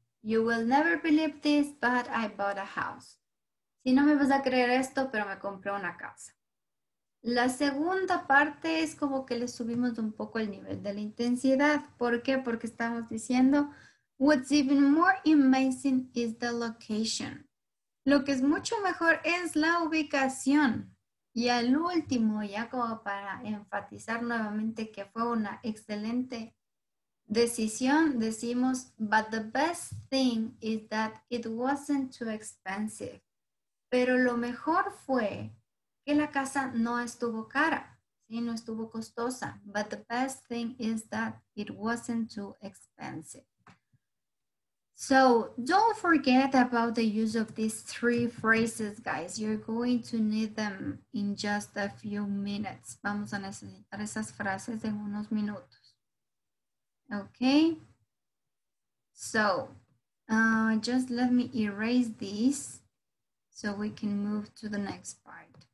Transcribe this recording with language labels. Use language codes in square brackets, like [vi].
[en] You will never believe this, but I bought a house. [es] Si no me vas a creer esto, pero me compré una casa. La segunda parte es como que le subimos un poco el nivel de la intensidad. ¿Por qué? Porque estamos diciendo, [en] what's even more amazing is the location. [es] Lo que es mucho mejor es la ubicación. Y al último, ya como para enfatizar nuevamente que fue una excelente decisión, decimos, [en] but the best thing is that it wasn't too expensive. [es] Pero lo mejor fue que la casa no estuvo cara, ¿sí? No estuvo costosa. [en] But the best thing is that it wasn't too expensive. So don't forget about the use of these three phrases, guys. You're going to need them in just a few minutes. [es] Vamos a necesitar esas frases en unos minutos. [en] Okay, so just let me erase these so we can move to the next part.